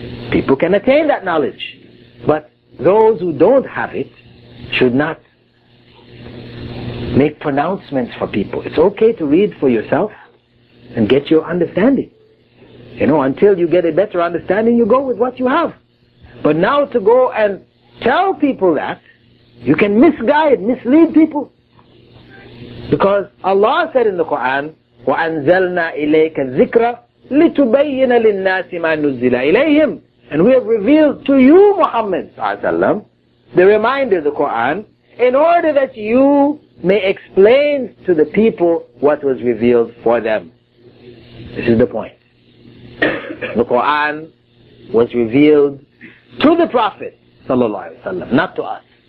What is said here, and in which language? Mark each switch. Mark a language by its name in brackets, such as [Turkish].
[English] People can attain that knowledge. But those who don't have it should not make pronouncements for people. It's okay to read for yourself and get your understanding. You know, until you get a better understanding, you go with what you have. But now to go and tell people that, you can misguide, mislead people. Because Allah said in the Quran, [Arabic] وَأَنْزَلْنَا إِلَيْكَ الذِّكْرَ لِتُبَيِّنَ لِلنَّاسِ مَا نُزِّلَ إِلَيْهِمْ. [English] And we have revealed to you, Muhammad ﷺ, the reminder, the Quran, in order that you may explain to the people what was revealed for them. This is the point. The Quran was revealed to the Prophet ﷺ, not to us.